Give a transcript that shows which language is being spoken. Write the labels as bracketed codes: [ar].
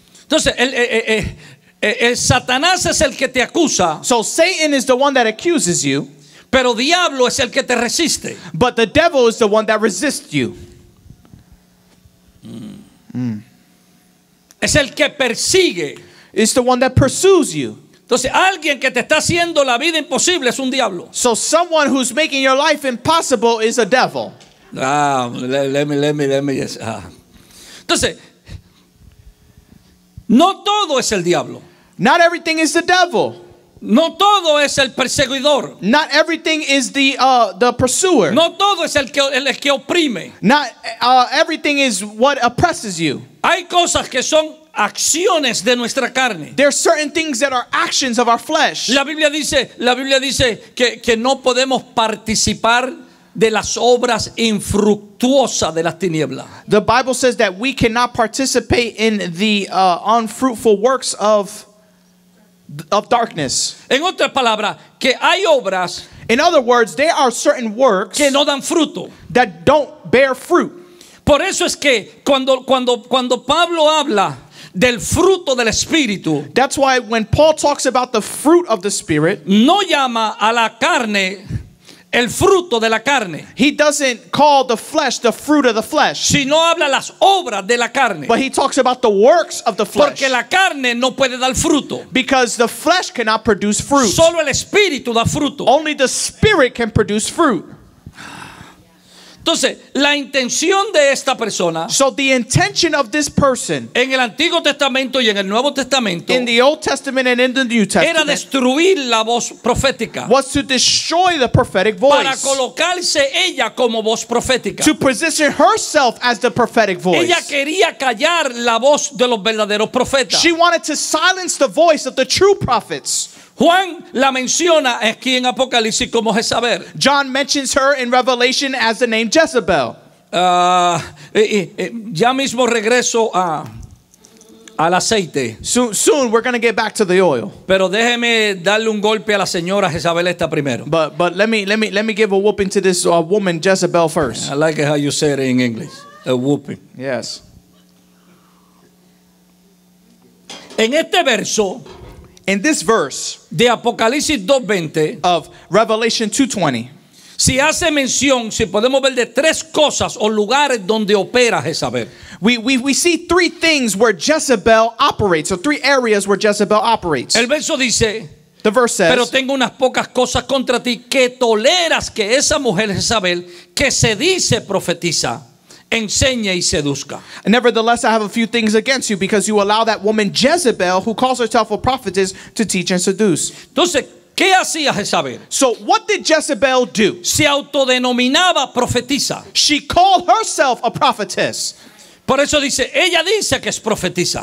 [es] Entonces, el Satanás es el que te acusa. [en] So Satan is the one that accuses you. [es] Pero diablo es el que te resiste. [en] But the devil is the one that resists you. [es] Es el que persigue. [en] It's the one that pursues you. [es] Entonces, alguien que te está haciendo la vida imposible es un diablo. [en] So someone who's making your life impossible is a devil. [es] Entonces, no todo es el diablo. [en] Not everything is the devil. [es] No todo es el perseguidor. [en] Not everything is the pursuer. [es] No todo es el que oprime. [en] Not everything is what oppresses you. [es] Hay cosas que son acciones de nuestra carne. [en] There are certain things that are actions of our flesh. [es] La Biblia dice que no podemos participar de las obras infructuosas de las tinieblas. [en] The Bible says that we cannot participate in the unfruitful works of darkness. [es] En otras palabras, que hay obras, [en] in other words, there are certain works [es] que no dan fruto, [en] that don't bear fruit. [es] Por eso es que cuando Pablo habla del fruto del espíritu, [en] that's why when Paul talks about the fruit of the spirit, [es] no llama a la carne el fruto de la carne. [en] He doesn't call the flesh the fruit of the flesh. [es] Sino habla las obras de la carne. [en] But he talks about the works of the flesh. [es] Porque la carne no puede dar fruto. [en] Because the flesh cannot produce fruit. [es] Solo el espíritu da fruto. [en] Only the spirit can produce fruit. [es] Entonces, la intención de esta persona, [en] so the intention of this person, [es] en el Antiguo Testamento y en el Nuevo Testamento, [en] in the Old Testament and in the New Testament, [es] era destruir la voz profética, [en] was to destroy the prophetic voice, [es] para colocarse ella como voz profética, [en] to position herself as the prophetic voice. [es] Ella quería callar la voz de los verdaderos profetas. [en] She wanted to silence the voice of the true prophets. [es] Juan la menciona aquí en Apocalipsis como Jezabel. [en] John mentions her in Revelation as the name Jezebel. [es] Ya mismo regreso al aceite. [en] Soon we're going to get back to the oil. [es] Pero déjeme darle un golpe a la señora Jezabel esta primero. [en] But let me give a whooping to this woman Jezebel first. I like how you said it in English. A whooping. Yes. [es] En este verso, [en] in this verse, [es] de Apocalipsis 2:20, [en] of Revelation 2:20, [es] si hace mención, si podemos ver de tres cosas o lugares donde opera Jezabel. [en] We see three things where Jezebel operates, or three areas where Jezebel operates. [es] El verso dice, [en] the verse says, [es] pero tengo unas pocas cosas contra ti que toleras que esa mujer Jezabel, que se dice profetiza, enseñe y seduzca. [en] Nevertheless, I have a few things against you because you allow that woman Jezebel, who calls herself a prophetess, to teach and seduce. [es] Entonces, ¿qué hacía Jezabel? [en] So what did Jezebel do? [es] Se autodenominaba profetisa. [en] She called herself a prophetess. [es] Por eso dice, ella dice que es profetisa.